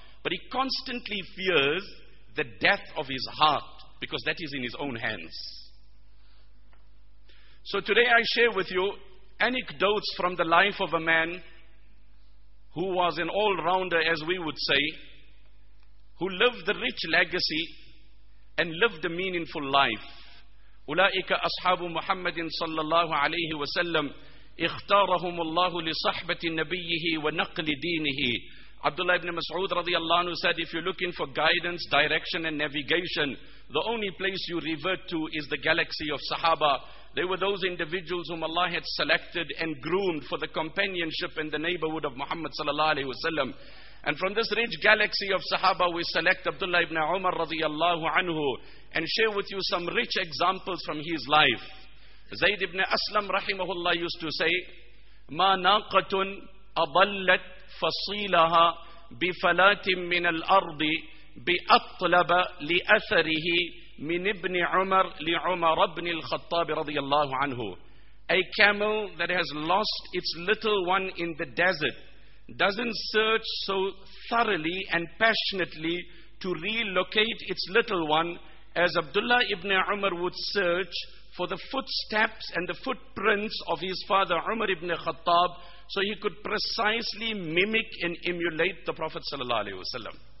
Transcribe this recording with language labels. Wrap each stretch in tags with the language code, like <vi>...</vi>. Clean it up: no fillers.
<en>But he constantly fears the death of his heart, because that is in his own hands. So today I share with you anecdotes from the life of a man who was an all-rounder, as we would say, who lived the rich legacy and lived a meaningful life.</en> <ar>أولئك أصحاب محمد صلى الله عليه وسلم اختارهم الله لصحبة نبيه ونقل دينه.</ar> <en>Abdullah ibn Mas'ud radiallahu anhu said, if you're looking for guidance, direction and navigation, the only place you revert to is the galaxy of Sahaba. They were those individuals whom Allah had selected and groomed for the companionship in the neighborhood of Muhammad sallallahu alayhi wa sallam. And from this rich galaxy of Sahaba, we select Abdullah ibn Umar radiallahu anhu and share with you some rich examples from his life. Zayd ibn Aslam rahimahullah used to say,</en> <ar>ma naqatun adallat فصيلها بفلات من الأرض بأطلب لأثره من ابن عمر لعمر بن الخطاب رضي الله عنه.</ar> <en>A camel that has lost its little one in the desert doesn't search so thoroughly and passionately to relocate its little one as Abdullah ibn Umar would search for the footsteps and the footprints of his father Umar ibn Khattab, so he could precisely mimic and emulate the Prophet sallallahu alaihi wasallam.</en>